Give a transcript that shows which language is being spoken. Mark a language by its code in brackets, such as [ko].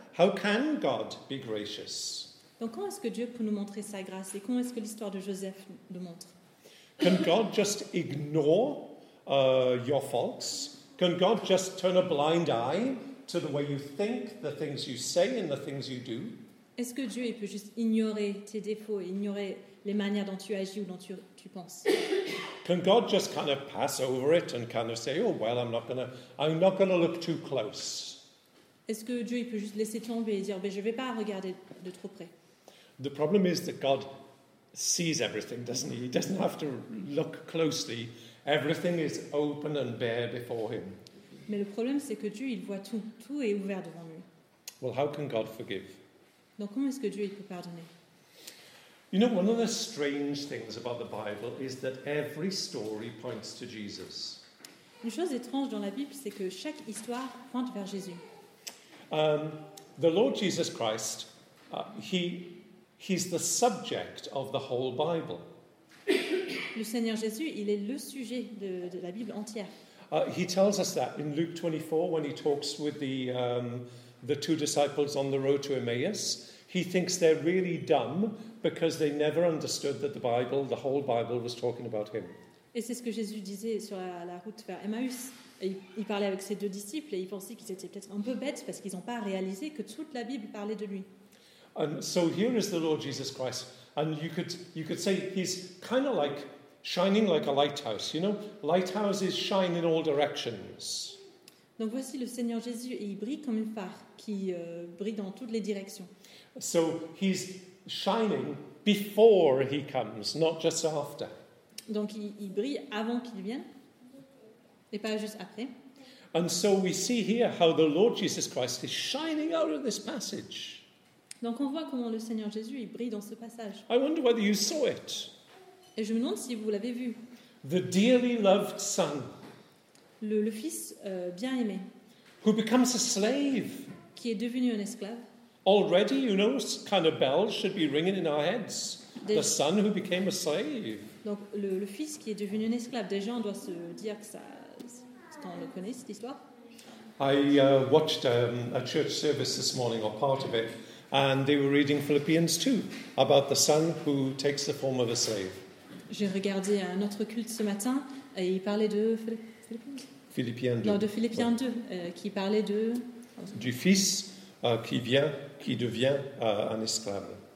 [en] How can God be gracious? [fr] Donc comment est-ce que Dieu peut nous montrer sa grâce et comment est-ce que l'histoire de Joseph nous montre? [en] Can God just ignore your faults? Can God just turn a blind eye to the way you think, the things you say and the things you do? [fr] Est-ce que Dieu il peut juste ignorer tes défauts et ignorer les manières dont tu agis ou dont tu penses? [en] Can God just kind of pass over it and kind of say, oh well, I'm not gonna look too close? [fr] Est-ce que Dieu il peut juste laisser tomber et dire, ben je vais pas regarder de trop près? [en] The problem is that God sees everything, doesn't he? He doesn't have to look closely. Everything is open and bare before him. [fr] Mais le problème c'est que Dieu il voit tout. Tout est ouvert devant lui. [en] Well, how can God forgive? [fr] Donc comment est-ce que Dieu il peut pardonner? [en] You know, one of the strange things about the Bible is that every story points to Jesus. [fr] Une chose étrange dans la Bible, c'est que chaque histoire pointe vers Jésus. [en] The Lord Jesus Christ, he's the subject of the whole Bible. [fr] Le Seigneur Jésus, il est le sujet de la Bible entière. [en] He tells us that in Luke 24 when he talks with the two disciples on the road to Emmaus. He thinks they're really dumb because they never understood that the Bible, the whole Bible, was talking about him. [fr] Et c'est ce que Jésus disait sur la route vers Emmaüs. Il parlait avec ses deux disciples et il pensait qu'ils étaient peut-être un peu bêtes parce qu'ils n'ont pas réalisé que toute la Bible parlait de lui. [en] And so here is the Lord Jesus Christ, and you could say he's kind of like shining like a lighthouse. You know, lighthouses shine in all directions. [fr] Donc voici le Seigneur Jésus et il brille comme une phare qui brille dans toutes les directions. [en] So he's shining before he comes, not just after. [fr] Donc il brille avant qu'il vienne et pas juste après. [en] And so we see here how the Lord Jesus Christ is shining out of this passage. [fr] Donc on voit comment le Seigneur Jésus il brille dans ce passage. [en] I wonder whether you saw it. [fr] Et je me demande si vous l'avez vu. [en] The dearly loved son. [fr] Le fils bien-aimé. [en] Who becomes a slave. [fr] Qui est devenu un esclave. [en] Already, you know, kind of bells should be ringing in our heads. The son who became a slave. [fr] Donc le fils qui est devenu un esclave. Déjà, on doit se dire que ça, on le connaît, cette histoire. [en] I watched a church service this morning, or part of it, and they were reading Philippians 2 about the son who takes the form of a slave. [fr] J'ai regardé un autre culte ce matin et il parlait de Philippiens 2. Non, de Philippiens 2, qui parlait de... Du fils qui vient, qui devient un esclave.